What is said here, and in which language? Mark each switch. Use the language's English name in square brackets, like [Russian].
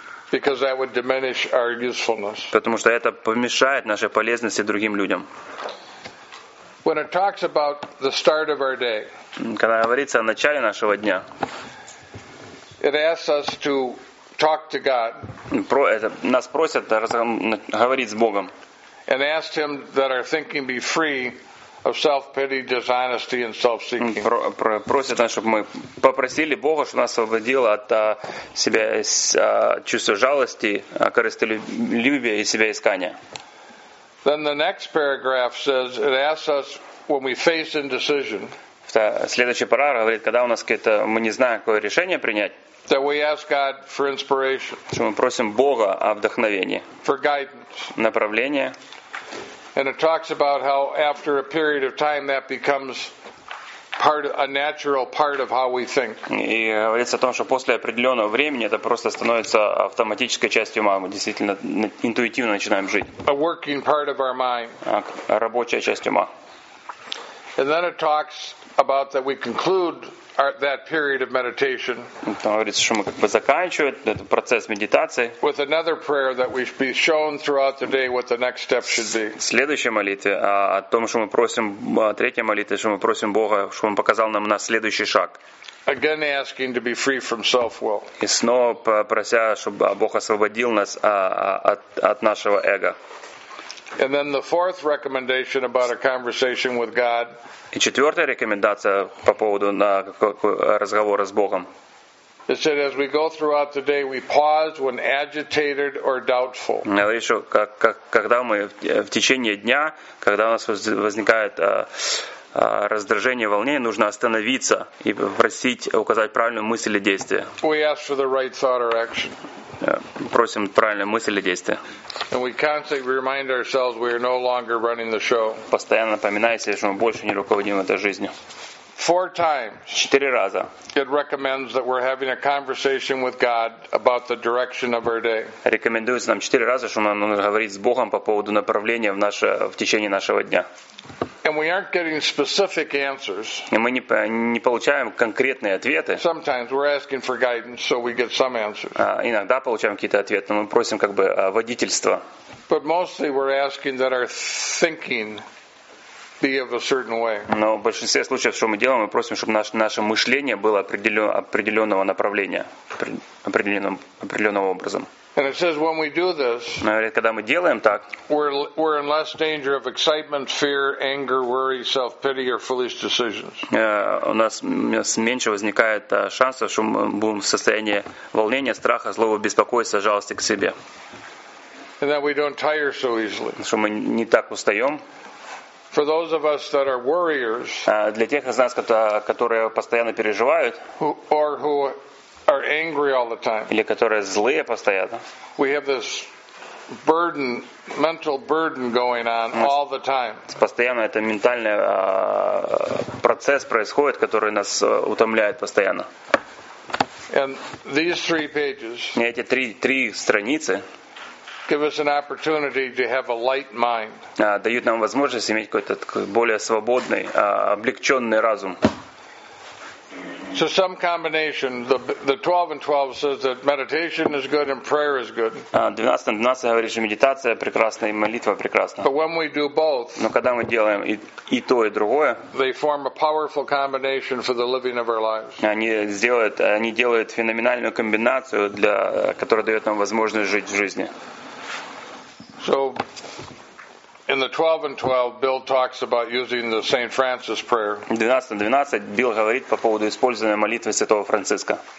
[English] Because that would diminish our usefulness. [Russian] Потому что это помешает нашей полезности другим людям. [English] When it talks about the start of our day. [Russian] Когда говорится о начале нашего дня. [English] It asks us to talk to God. [Russian] Нас просят говорить с Богом. [English] And ask Him that our thinking be free of self-pity, dishonesty, and self-seeking. [Russian] Просит нас, чтобы мы попросили Бога, чтобы нас освободило от себя чувства жалости, корыстолюбия и себя искания. [English] Then the next paragraph says it asks us when we face indecision. [Russian] Следующий параграф говорит, когда у нас какое-то мы не знаем, какое решение принять. [English] That we ask God for inspiration. [Russian] Что мы просим Бога о вдохновении. [English] For guidance. [Russian] Направление. [English] And it talks about how after a period of time that becomes part of, a natural part of how we think. [Russian] И говорится о том, что после определенного времени это просто становится автоматической частью ума. Мы действительно интуитивно начинаем жить. [English] A working part of our mind. [Russian] Рабочая часть ума. [English] And then it talks about that we conclude that period of meditation. [Russian] Говорится, что мы как бы заканчиваем этот процесс медитации. [English] With another prayer that we should be shown throughout the day what the next step should be. [Russian] Следующая молитва о том, что мы просим, третья молитва, что мы просим Бога, чтобы он показал нам наш следующий шаг. [English] Again asking to be free from self-will. [Russian] И снова прося, чтобы Бог освободил нас от нашего эго. [English] And then the fourth recommendation about a conversation with God. [Russian] И четвертая рекомендация по поводу разговора с Богом. [English] It said as we go throughout the day, we pause when agitated or doubtful. [Russian] Говорит, что когда мы в течение дня, когда у нас возникает раздражение, волнение, нужно остановиться и просить указать правильную мысль или действие. [English] We ask for the right thought or action. [Russian] Просим правильную мысль или действие. [English] And we constantly remind ourselves we are no longer running the show. [Russian] Постоянно напоминая себе, что мы больше не руководим этой жизнью. [English] Four times. [Russian] Четыре раза. [English] It recommends that we're having a conversation with God about the direction of our day. [Russian] Рекомендуется нам четыре раза, что нам нужно говорить с Богом по поводу направления в течение нашего дня. [English] And we aren't getting specific answers. [Russian] И мы не получаем конкретные ответы. [English] Sometimes we're asking for guidance, so we get some answers. [Russian] Иногда получаем какие-то ответы, но мы просим как бы водительства. [English] But mostly we're asking that our thinking be of a certain way. [Russian] Но в большинстве случаев, что мы делаем, мы просим, чтобы наше мышление было определенного направления, определенным образом. [English] And it says when we do this, [Russian] когда мы делаем так, [English] we're in less danger of excitement, fear, anger, worry, self-pity, or foolish decisions. [Russian] У нас меньше возникает шансов, что мы будем в состоянии волнения, страха, злого, беспокойства, жалости к себе. [English] And that we don't tire so easily. [Russian] Что мы не так устаем. [English] For those of us that are worriers, [Russian] для тех из нас, которые постоянно переживают, [English] who are angry all the time. [Russian] Или которые злые постоянно. [English] We have this burden, mental burden going on all the time. [Russian] Постоянно это ментальный процесс происходит, который нас утомляет постоянно. [English] And these three pages. [Russian] Эти три страницы. [English] Give us an opportunity to have a light mind. [Russian] Дают нам возможность иметь какой-то более свободный, облегченный разум. [English] So some combination, the 12 and 12 says that meditation is good and prayer is good. [Russian] 12 на 12 говорит, что медитация прекрасна и молитва прекрасна. [English] But when we do both, [Russian] но когда мы делаем и то, и другое, [English] they form a powerful combination for the living of our lives. [Russian] Они делают феноменальную комбинацию, которая дает нам возможность жить в жизни. [English] So in the 12 and 12, Bill talks about using the St. Francis prayer. [Russian] 12-12 Билл говорит по поводу использования молитвы Святого Франциска.